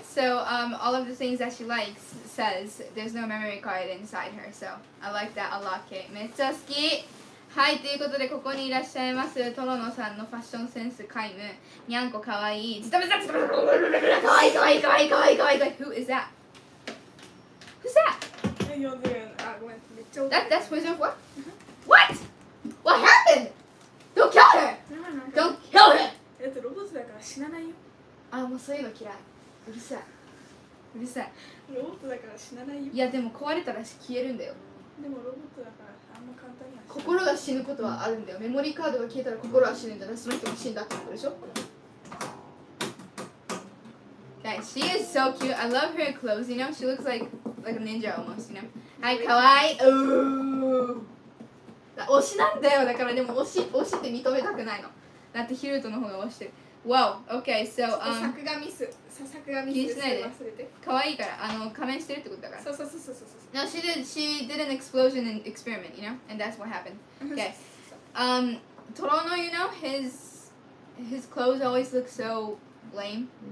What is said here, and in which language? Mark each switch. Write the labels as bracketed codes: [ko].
[en] So, all of the things that she likes says there's no memory card inside her. So, I like that a lot, Kate. [ja] めっちゃ好き. はい、ということでここにいらっしゃいますトロノさんのファッションセンス皆無にゃんこかわいいズタブタズタブタかわいいかわいいかわいいかわいいかわいいかわいい [en] Who is that? Who's that? [ja] ごめん、 [en] That's poison for? What? What happened? Don't kill her! Don't kill her! [ja] だってロボットだから死なないよあ、もうそういうの嫌いうるさいロボットだから死なないよいやでも壊れたら消えるんだよでもロボットだから心が死ぬことはあるんだよ。メモリーカードが消えたら心は死ぬんだな。その人も死んだってことでしょ [en] Okay, she is so cute. I love her clothes, you know? She looks like a ninja almost, you know? [ja] はい、かわいい。推しなんだよ。だからでも推しって認めたくないの。だってヒルトの方が推してる。 [en] Wow, okay, so... [ja] 作画ミス。気にしないで。かわいいから。仮面してるってことだから。そう。 [en] No, she did an explosion and experiment, you know? And that's what happened. Okay. Torono, you know, his clothes always look so lame.